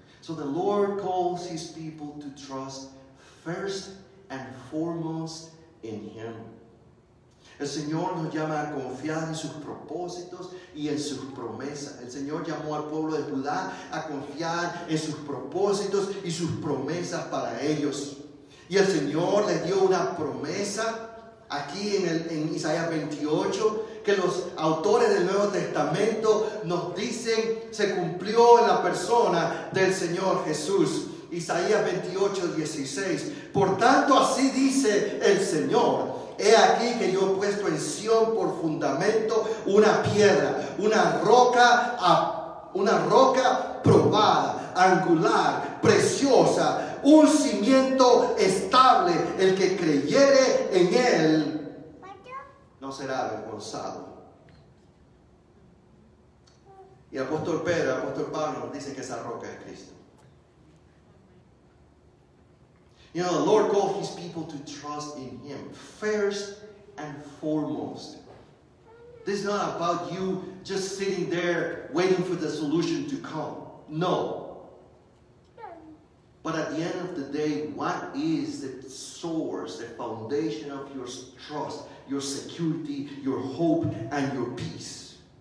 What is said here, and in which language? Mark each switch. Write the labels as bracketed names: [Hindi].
[English] So the Lord calls His people to trust first and foremost in Him. [Spanish] El Señor nos llama a confiar en sus propósitos y en sus promesas. El Señor llamó al pueblo de Judá a confiar en sus propósitos y sus promesas para ellos. Y el Señor les dio una promesa aquí en Isaías 28, que los autores del Nuevo Testamento nos dicen se cumplió en la persona del Señor Jesús. Isaías 28, 16. Por tanto, así dice el Señor: he aquí que yo he puesto en Sión por fundamento una piedra, una roca probada, angular, preciosa, un cimiento estable. El que creyere en él no será avergonzado. Y el apóstol Pablo nos dice que esa roca es Cristo. [English] You know, the Lord called His people to trust in Him first and foremost. This is not about you just sitting there waiting for the solution to come. No. But at the end of the day, what is the source, the foundation of your trust, your security, your hope, and your peace?